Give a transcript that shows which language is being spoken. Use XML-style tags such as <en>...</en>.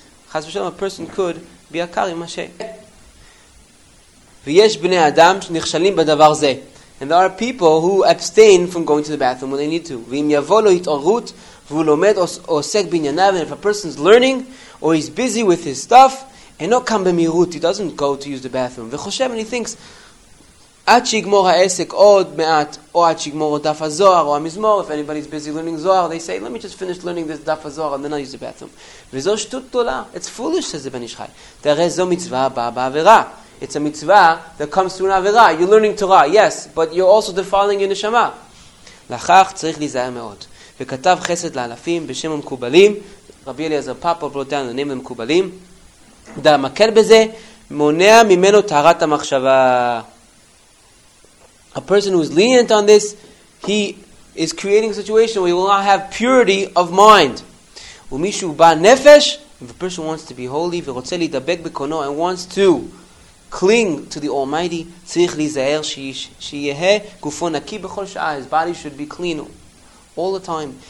<he>חס ושלום,</he> <en>a person could be</en> <he>עקר עם השה. ויש בני אדם שנכשלים בדבר זה.</he> <en>And there are people who abstain from going to the bathroom when they need to.</en> <he>ואם יבוא לו התעוררות, והוא לומד או עוסק בענייניו,</he> <en>and if a person's learning, or he's busy with his stuff,</en> <he>אינו קם במהירות,</he> <en>he doesn't go to use the bathroom.</en> <he>וחושב,</he> <en>and he thinks,</en> <he>עד שיגמור העסק עוד מעט, או עד שיגמור עוד דף הזוהר, או המזמור,</he> <en>if anybody's busy learning Zohar, they say, let me just finish learning this דף הזוהר, and then I'll use the bathroom.</en> <he>וזו שטות גדולה.</he> <en>It's foolish, says the Ben Ish Chai.</en> <he>תראה, זו מצווה הבאה בעבירה.</he> <en>It's a mitzvah that comes through an עבירה. You're learning Torah, yes, but you're also defiling your neshama.</en> <he>לכך צריך להיזהר מאוד. וכתב חסד לאלפים בשם המקובלים, רבי אליעזר פאפו ברוט דן, הנאים למקובלים, דמקל בזה, מונע ממנו טהרת המחשבה.</he> <en>A person who is lenient on this, he is creating a situation where he will not have purity of mind.</en> <he>ומישהו בא נפש,</he> <en>if a person wants to be holy,</en> <he>ורוצה להידבק בקונו,</he> <en>and wants to cling to the Almighty,</en> <he>צריך להיזהר שיהיה גופו נקי בכל שעה,</he> <en>his body should be clean all the time.</en>